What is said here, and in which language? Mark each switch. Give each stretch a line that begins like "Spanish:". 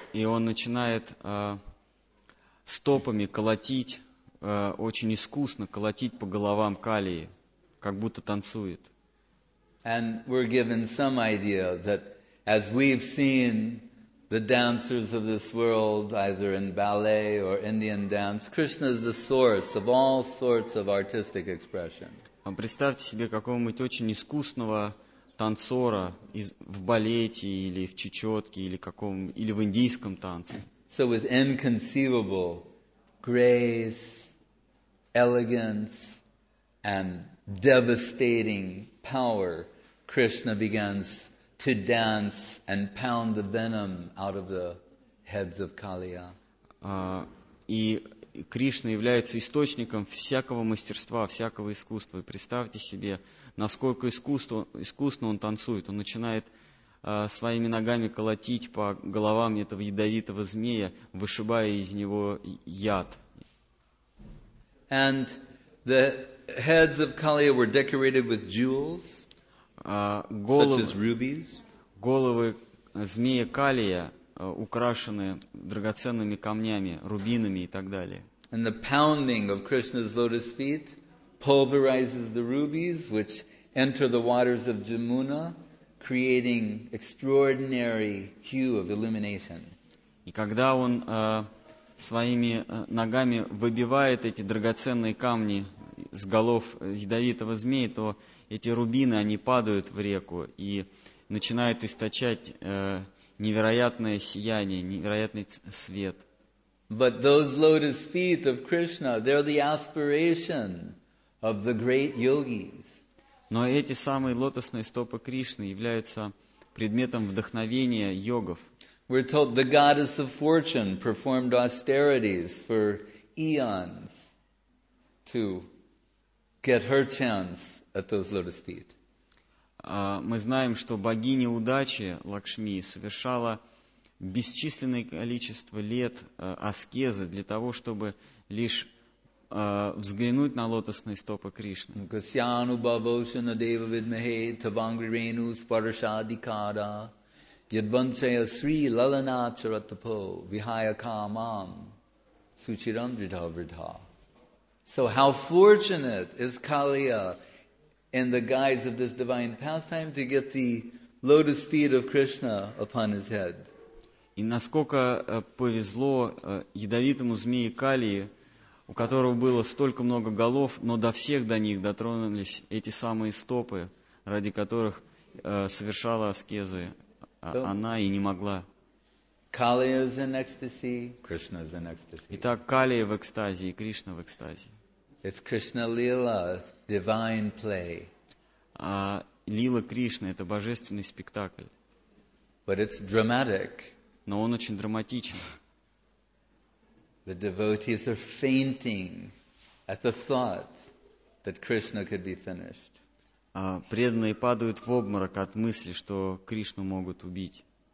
Russian: И он начинает стопами колотить, очень искусно колотить по головам Калии, как будто танцует.
English: And we're given some idea that as we've seen the dancers of this world, either in ballet or Indian dance, Krishna is the source of all sorts of artistic expression.
Russian: Представьте себе какого-нибудь очень искусного танцора в балете или в чечетке или в индийском танце.
English: So with inconceivable grace, elegance, and devastating power, Krishna begins to dance and pound the venom out of the heads of Kaliya.
Russian: И Кришна является источником всякого мастерства, всякого искусства. И представьте себе, насколько искусно он танцует. Он начинает своими ногами колотить по головам этого ядовитого змея, вышибая из него яд.
English: And the heads of Kaliya were decorated with jewels, such as rubies.
Russian: Головы змея Калия украшены драгоценными камнями, рубинами и так далее.
English: And the pounding of Krishna's lotus feet pulverizes the rubies, which enter the waters of Jamuna, creating extraordinary hue of illumination.
Russian: И когда он своими ногами выбивает эти драгоценные камни с голов ядовитого змея, то эти рубины, они падают в реку и начинают источать невероятное сияние, невероятный свет.
English: But those lotus feet of Krishna, they're the aspiration of the great yogis.
Russian: Но эти самые лотосные стопы Кришны являются предметом вдохновения йогов.
English: We're told the goddess of fortune performed austerities for eons to get her chance at those lotus feet.
Russian: Мы знаем, что богиня удачи Лакшми совершала бесчисленное количество лет аскезы для того, чтобы лишь взглянуть на лотосные стопы Кришны.
Sanskrit: Касьяну бавошана дева видмахе тавангри рену спарша дикада Yadvanchaya Sri Lalana Charatapo Vihaya Kamam Suchiram Vridha Vridha.
English: So how fortunate is Kaliya in the guise of this divine pastime to get the lotus feet of Krishna upon his head.
Russian: И насколько повезло ядовитому змее Калии, у которого было столько много голов, но до всех до них дотронулись эти самые стопы, ради которых совершала аскезы она и не могла.
English: Kali is in ecstasy, Krishna is in ecstasy.
Russian: Итак, Калия в экстазе и Кришна в экстазе.
English: It's Krishna Lila, divine play.
Russian: А Лила Кришны – это божественный спектакль.
English: But it's dramatic.
Russian: Но он очень драматичен.
English: The devotees are fainting at the thought that Krishna could be finished.
Russian: Преданные падают в обморок от мысли, что Кришну могут убить.